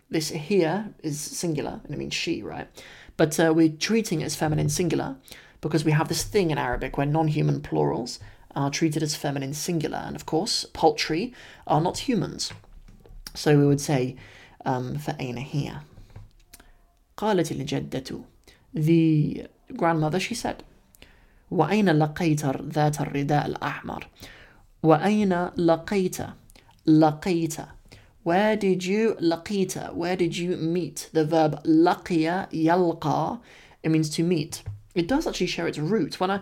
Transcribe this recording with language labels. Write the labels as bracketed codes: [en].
[en] This here is singular, and it means she, right? But we're treating it as feminine singular because we have this thing in Arabic where non-human plurals are treated as feminine singular. And of course, poultry are not humans. So we would say, fa'ayna here. [ar] قالت الجدّة. [en] The grandmother, she said. [ar] وأين لقيت ذات الرداء الأحمر؟ وأين لقيت؟ لقيت. [en] Where did you لقيت? Where did you meet? The verb [ar] لقيا يلقى. [en] It means to meet. It does actually share its root.